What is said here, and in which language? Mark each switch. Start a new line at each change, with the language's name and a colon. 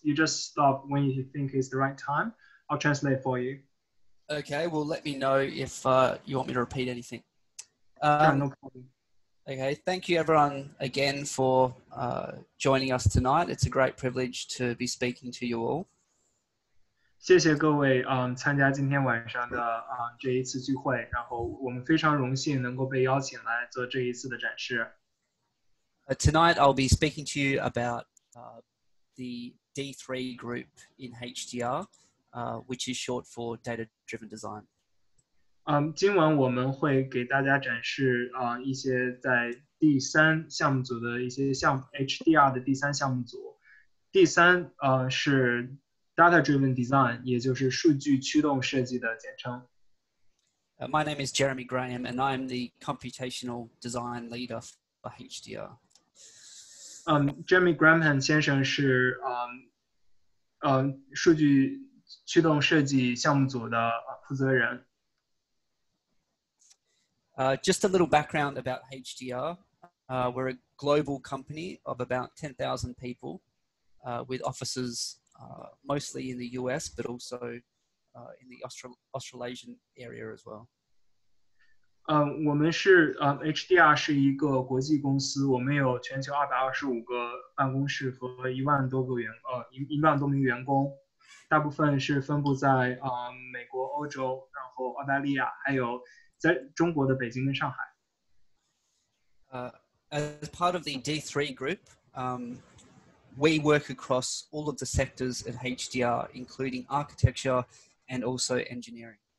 English: You just stop when you think it's the right time. I'll translate for you. Okay. Well, let me know if you want me to repeat anything. Okay, thank you everyone again for joining us tonight. It's a great privilege to be speaking to you all.
Chinese: 谢谢各位, 参加今天晚上的, 这一次聚会, 然后我们非常荣幸能够被邀请来做这一次的展示。
English: Tonight I'll be speaking to you about the D3 group in HDR, which is short for Data-Driven Design.
Chinese: 今晚我们会给大家展示 一些在第三项目组的一些项目 HDR的第三项目组 第三 是 Data-Driven Design 也就是数据驱动设计的简称
English: My name is Jeremy Graham and I'm the Computational Design Leader for HDR
Chinese: Jeremy Graham先生是 数据驱动设计项目组的负责人
English: Just a little background about HDR. We're a global company of about 10,000 people with offices mostly in the US, but also in the Australasian area as well.
Chinese: 我们是 HDR是一个国际公司, 我们有全球225个办公室和一万多名员工, 大部分是分布在 美国, 欧洲, 然后澳大利亚, 还有
English: As part of the D3 group, we work across all of the sectors at HDR, including architecture and also engineering.